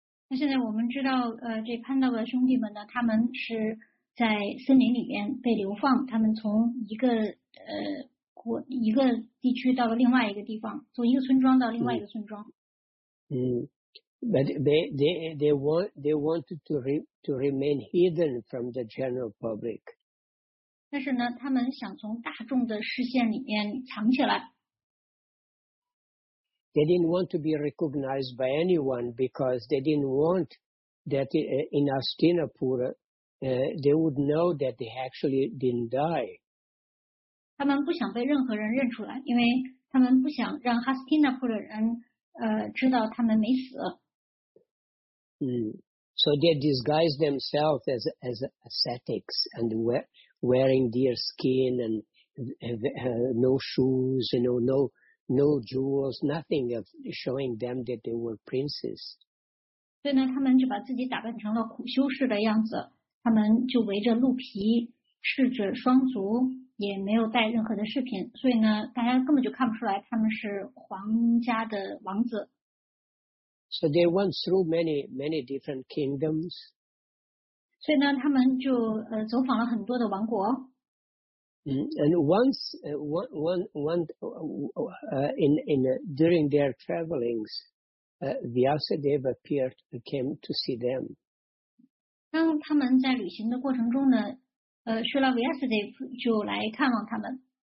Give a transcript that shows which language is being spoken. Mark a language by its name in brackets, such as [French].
[Chinese] 那现在我们知道，这潘达瓦兄弟们呢，他们是在森林里面被流放，他们从一个地区到了另外一个地方，从一个村庄到另外一个村庄。 [English] But they wanted to remain hidden from the general public. [Chinese] 但是呢，他们想从大众的视线里面藏起来。 [English] They didn't want to be recognized by anyone because they didn't want that in Hastinapura, they would know that they actually didn't die. [Chinese] 他们不想被任何人认出来，因为他们不想让 Hastinapura 的人知道他们没死。 [English] So they disguised themselves as ascetics and wearing deer skin and no shoes, you know, no jewels, nothing of showing them that they were princes. [Chinese] 对呢，他们就把自己打扮成了苦修士的样子，他们就围着鹿皮，赤着双足，也没有带任何的饰品，所以呢，大家根本就看不出来他们是皇家的王子。 [English] So they went through many, many different kingdoms. [Chinese] 所以呢，他们就走访了很多的王国。 [English] And during their travelings, Vyasadeva appeared and came to see them. [Chinese] 当他们在旅行的过程中呢，Srila Vyasadeva 就来看望他们。